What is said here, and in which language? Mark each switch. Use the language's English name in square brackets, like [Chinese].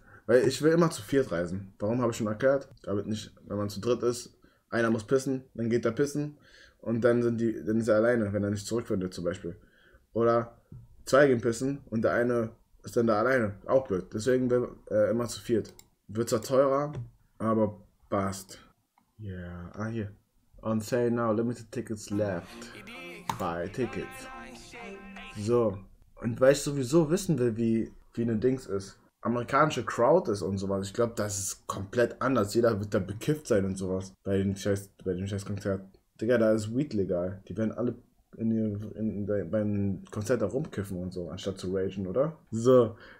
[German] Weil ich will immer zu 4 reisen. Warum, habe ich schon erklärt. Damit nicht, wenn man zu dritt ist, einer muss pissen, dann geht er pissen. Und dann ist er alleine, wenn er nicht zurückfindet zum Beispiel. Oder 2 gehen pissen und der eine ist dann da alleine. Auch blöd. Deswegen will immer zu 4. Wird zwar teurer, aber passt. Yeah, hier. [English] On sale now, limited tickets left. Buy tickets. So. [German] Und weil ich sowieso wissen will, wie eine Dings ist. Amerikanische Crowd ist und sowas. Ich glaube, das ist komplett anders. Jeder wird da bekifft sein und sowas. Bei dem scheiß Konzert. Digga, da ist Weed legal. Die werden alle beim Konzert da rumkiffen und so, anstatt zu ragen, oder? So.